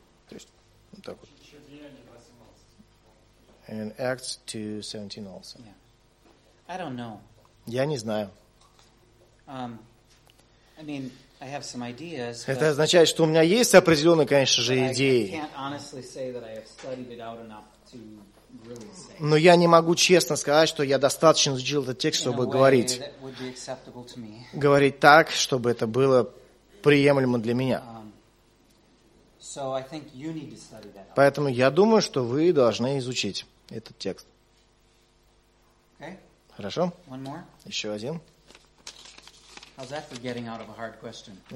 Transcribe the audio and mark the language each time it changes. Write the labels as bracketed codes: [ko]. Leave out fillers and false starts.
[ru] То есть, так вот. [en] And Acts 2:17 also. Yeah. I don't know. [ru] Я не знаю. [en] I mean, I have some ideas. [ru] Это означает, что у меня есть определенные, конечно же, идеи. [en] I can't honestly say that I have studied it out enough to really say. [ru] Но я не могу честно сказать, что я достаточно изучил этот текст, чтобы говорить. [en] That would be acceptable to me. [ru] Говорить так, чтобы это было приемлемо для меня. [en] So I think you need to study that. [ru] Поэтому я думаю, что вы должны изучить этот текст. [en] Okay. [ru] Хорошо? [en] One more. [ru] Еще один. [en] How's that for getting out of a hard question?